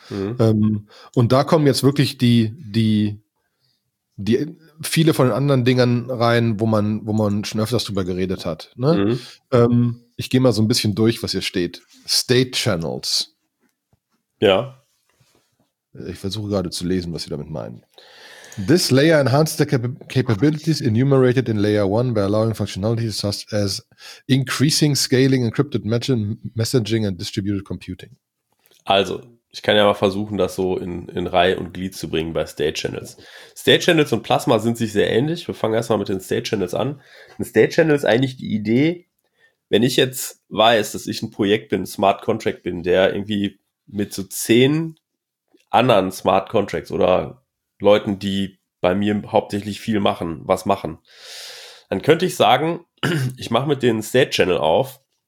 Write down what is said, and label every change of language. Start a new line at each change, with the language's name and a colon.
German: Und da kommen jetzt wirklich die viele von den anderen Dingern rein, wo man schon öfters drüber geredet hat. Ne? Ich gehe mal so ein bisschen durch, was hier steht. State Channels. Ja. Ich versuche gerade zu lesen, was sie damit meinen.
English: This layer enhanced the capabilities enumerated in layer 1 by allowing functionalities such as increasing scaling, encrypted messaging and distributed computing.
German: Also, ich kann ja mal versuchen, das so in Reihe und Glied zu bringen bei State Channels. State Channels und Plasma sind sich sehr ähnlich. Wir fangen erstmal mit den State Channels an. Ein State Channel ist eigentlich die Idee, wenn ich jetzt weiß, dass ich ein Projekt bin, ein Smart Contract bin, der irgendwie mit so 10 anderen Smart Contracts oder Leuten, die bei mir hauptsächlich viel machen, was machen, dann könnte ich sagen, ich mache mit denen State Channel auf